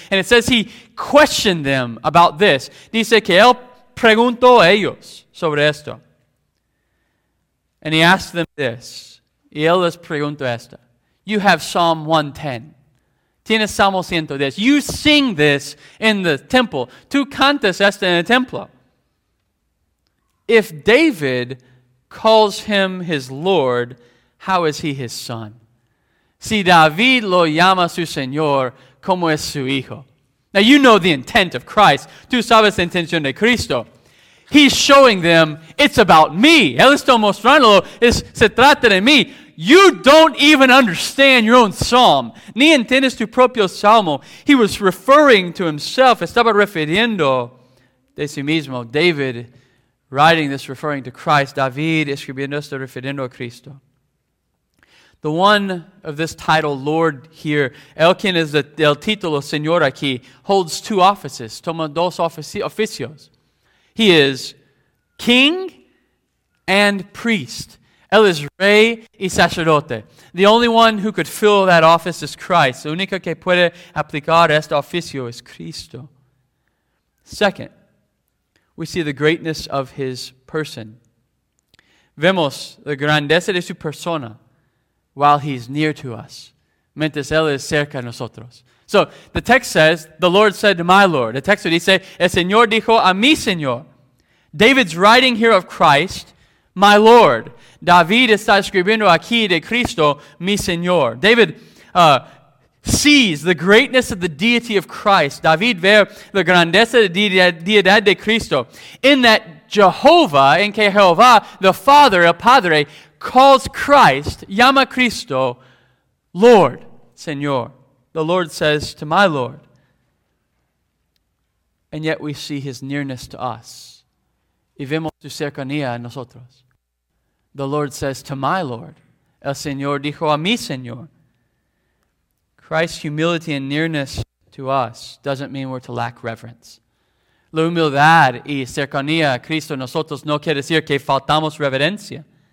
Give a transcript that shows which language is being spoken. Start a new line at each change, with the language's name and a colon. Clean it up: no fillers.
English: And it says he questioned them about this.
Spanish: Dice que él preguntó a ellos sobre esto.
English: And he asked them this.
Spanish: Y él les preguntó esta.
English: You have Psalm 110.
Spanish: Tienes Salmo 110.
English: You sing this in the temple.
Spanish: Tú cantas esta en el templo.
English: If David calls him his Lord, how is he his son?
Spanish: Si David lo llama su Señor, ¿cómo es su hijo?
English: Now you know the intent of Christ.
Spanish: Tú sabes la intención de Cristo.
English: He's showing them, it's about me.
Spanish: Él está mostrándolo, se trata de mí.
English: You don't even understand your own psalm.
Spanish: Ni entiendes tu propio salmo.
English: He was referring to himself.
Spanish: Estaba refiriendo de sí mismo.
English: David writing this referring to Christ.
Spanish: David escribiendo esto refiriendo a Cristo.
English: The one of this title, Lord, here,
Spanish: el quien es el título, Señor, aquí,
English: holds two offices,
Spanish: toma dos oficios.
English: He is king and priest.
Spanish: Él es rey y sacerdote.
English: The only one who could fill that office is Christ.
Spanish: El único que puede aplicar este oficio es Cristo.
English: Second, we see the greatness of his person.
Spanish: Vemos la grandeza de su persona
English: while he's near to us,
Spanish: mientras él es cerca de nosotros.
English: So, the text says, the Lord said to my Lord. The text would say,
Spanish: el Señor dijo a mi Señor.
English: David's writing here of Christ, my Lord.
Spanish: David está escribiendo aquí de Cristo, mi Señor.
English: David sees the greatness of the deity of Christ.
Spanish: David ve la grandeza de deidad de Cristo.
English: In that Jehovah,
Spanish: en que Jehová,
English: the Father,
Spanish: el Padre,
English: calls Christ,
Spanish: llama Cristo,
English: Lord, Señor. The Lord says to my Lord. And yet we see his nearness to us.
Spanish: Y vemos su cercanía a nosotros.
English: The Lord says to my Lord.
Spanish: El Señor dijo a mi Señor.
English: Christ's humility and nearness to us doesn't mean we're to lack reverence.
Spanish: La humildad y cercanía a Cristo a nosotros no quiere decir que faltamos reverencia.